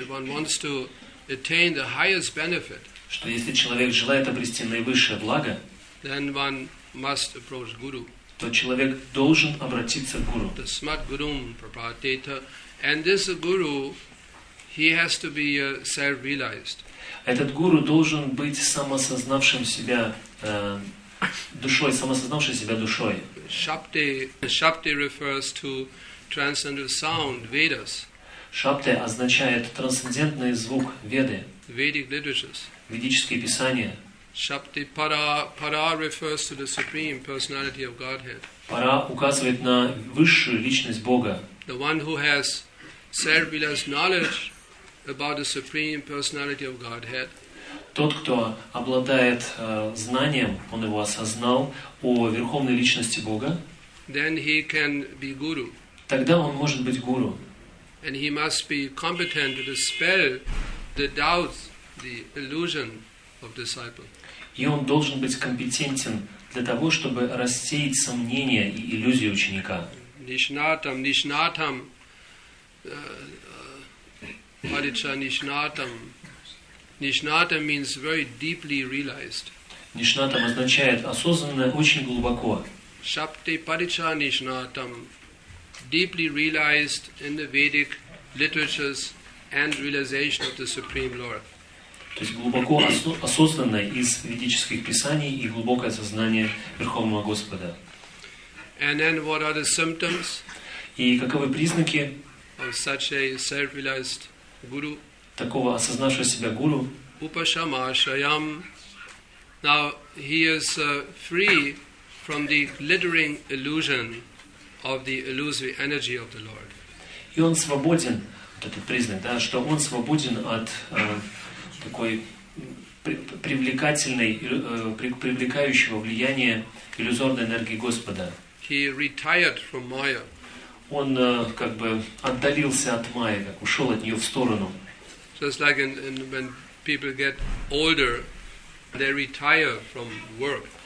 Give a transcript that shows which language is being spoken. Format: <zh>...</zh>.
<en>If one wants to attain the highest benefit.</en> <ru>Что если человек желает обрести наивысшее благо,</ru> <en>then one must approach guru.</en> <ru>То человек должен обратиться к гуру.</ru> <en>The smart guru, prapratita, and this guru, he has to be self-realized.</en> <ru>Этот гуру должен быть самосознавшим себя. Душой, самосознавшей себя душой.</ru> <en>Шапти refers to transcendental sound, Vedas.</en> <ru>Шапти означает трансцендентный звук Веды.</ru> <en>Vedic literatures.</en> <ru>Ведические писания.</ru> <en>Шапти пара refers to the supreme personality of Godhead.</en> <ru>Пара указывает на высшую личность Бога.</ru> <en>The one who has self-realized knowledge about the supreme personality of Godhead.</en> <ru>Тот, кто обладает знанием, он его осознал, о Верховной Личности Бога,</ru> <en>then he can be guru.</en> <ru>Тогда он может быть гуру.</ru> <en>And he must be competent to dispel the doubts, the illusion of disciple.</en> <ru>И он должен быть компетентен для того, чтобы рассеять сомнения и иллюзии ученика.</ru> <sa>Нишнатам, нишнатам, парича нишнатам.</sa> <en>Нишната means very deeply realized.</en> <ru>Нишната означает осознанное очень глубоко.</ru> <sa>Шапти парича нишнатам,</sa> <en>deeply realized in the Vedic literatures and realization of the Supreme Lord.</en> <ru>То есть глубоко осознанное из ведических писаний и глубокое сознание Верховного Господа.</ru> <en>And then what are the symptoms?</en> <ru>И каковы признаки</ru> <en>of such a self-realized guru?</en> <ru>Такого осознавшего себя гуру.</ru> <sa>Упашамашаям.</sa> <en>Now he is free from the glittering illusion of the illusory energy of the Lord.</en> <ru>И он свободен, вот этот признак, да, что он свободен от такой привлекательной, привлекающего влияния иллюзорной энергии Господа.</ru> <en>He retired from Maya.</en> <ru>Он как бы отдалился от Майи, как ушел от нее в сторону.</ru> <en>Just like in when people get older, they retire from work.</en>